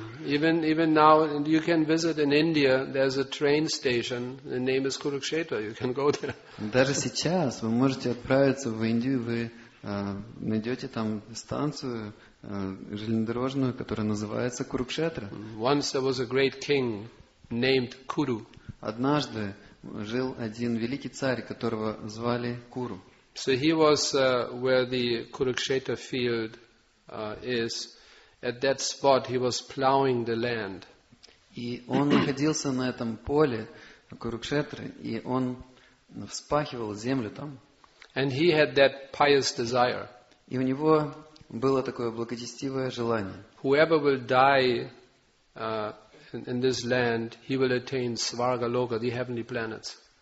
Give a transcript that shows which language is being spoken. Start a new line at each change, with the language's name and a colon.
English: Even now you can visit in India, there's a train station, the name is Курукшетра, you can go there.
Russian: Даже сейчас вы можете отправиться в Индию, вы найдете там станцию железнодорожную, которая называется Курукшетра.
English: Once there was a great king named Kuru.
Russian: Однажды жил один великий царь, которого звали Куру.
English: So he was where the Kurukshetra field is. At that spot, he was plowing the land.
Russian: И он находился на этом поле Курукшетры, и он вспахивал землю там.
English: And he had that pious desire.
Russian: И у него было такое благочестивое желание.
English: Whoever will die in this land, he will attain Svarga Loka, the heavenly planets.